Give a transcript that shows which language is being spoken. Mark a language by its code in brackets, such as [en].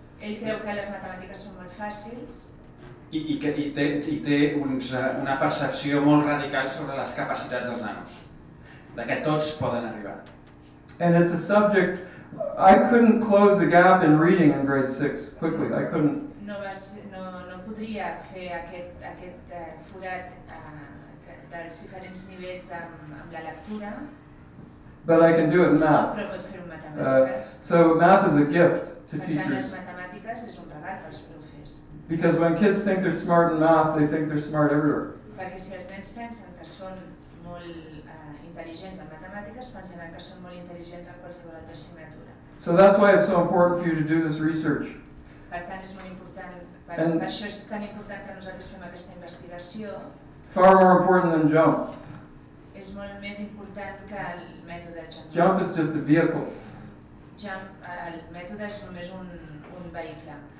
[ca] Ell creu que les matemàtiques són molt fàcils. I té una percepció molt radical sobre les capacitats dels nanos, de que tots poden arribar. [en] And it's a subject... I couldn't close the gap in reading in grade 6 quickly. I couldn't. [ca] No podria fer aquest forat dels diferents nivells amb la lectura. [en] But I can do it in math. [ca] Però pot fer-ho en matemàtiques. [en] So math is a gift to teachers. [ca] Per tant, les matemàtiques és un regal pels profes. [en] Because when kids think they're smart in math, they think they're smart everywhere. [ca] Perquè si els nens pensen que són molt intel·ligents en matemàtiques, pensaran que són molt intel·ligents en qualsevol altra assignatura. [en] So that's why it's so important for you to do this research. [ca] Per tant, és molt important. Per això és tan important que nosaltres fem aquesta investigació. [en] Far more important than jump. [ca] És molt més important que el mètode jump. [en] Jump is just a vehicle. [ca] Jump, el mètode és només un vehicle.